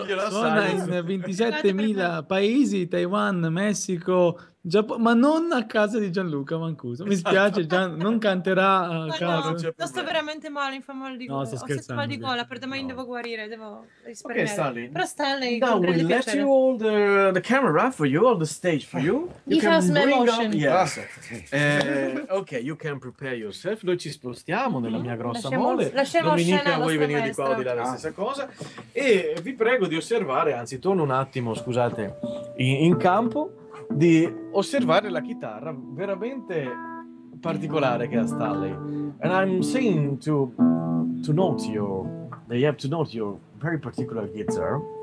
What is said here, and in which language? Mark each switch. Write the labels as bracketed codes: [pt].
[it] Suona in 27.000 paesi, Taiwan, Messico, Giappone, ma non a casa di Gianluca Mancuso. Mi spiace, Gian, non canterà a casa. No, sto veramente male, mi fa mal di gola. Ho sentito mal di gola, per domani devo guarire, devo esperimentare. Okay, Stanley. Però Stanley, [en] no, we we'll let [it] piacere. [en] You hold the camera for you, hold the stage for you. You can bring up, yes. ok, you can prepare yourself. [it] Noi ci spostiamo nella mia grossa mole. Domenica, vuoi venire di qua o di là, la stessa cosa. E vi prego di osservare, anzi torno un attimo, scusate, in campo, di osservare la chitarra veramente particolare che ha Stanley. [en] And I'm saying to note you, that you have to note your very particular guitar.